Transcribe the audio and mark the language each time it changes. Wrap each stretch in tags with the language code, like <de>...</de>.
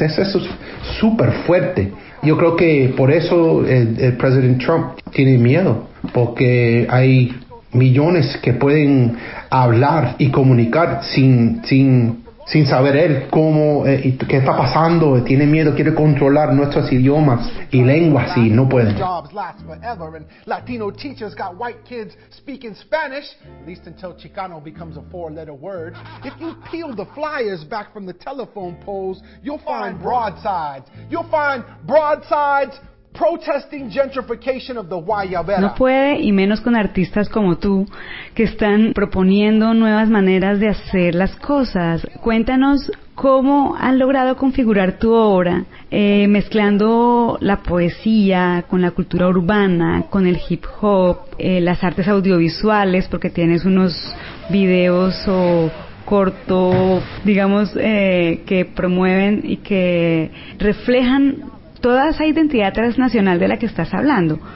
<es>Eso es súper fuerte. Yo creo que por eso el presidente Trump tiene miedo, porque hay millones que pueden hablar y comunicar sin saber él cómo, qué está pasando. Tiene miedo, quiere controlar nuestros idiomas y lenguas y no puede.</es> <en>Jobs last forever and Latino teachers got white kids speaking Spanish, at least until Chicano becomes a four-letter word. If you peel the flyers back from the telephone poles, you'll find broadsides. You'll find broadsides protesting gentrification of the Guayabera.</en> <es>No puede, y menos con artistas como tú, que están proponiendo nuevas maneras de hacer las cosas. Cuéntanos cómo han logrado configurar tu obra, mezclando la poesía con la cultura urbana, con el hip hop, las artes audiovisuales, porque tienes unos videos o corto, digamos, que promueven y que reflejan toda esa identidad transnacional de la que estás hablando.</es>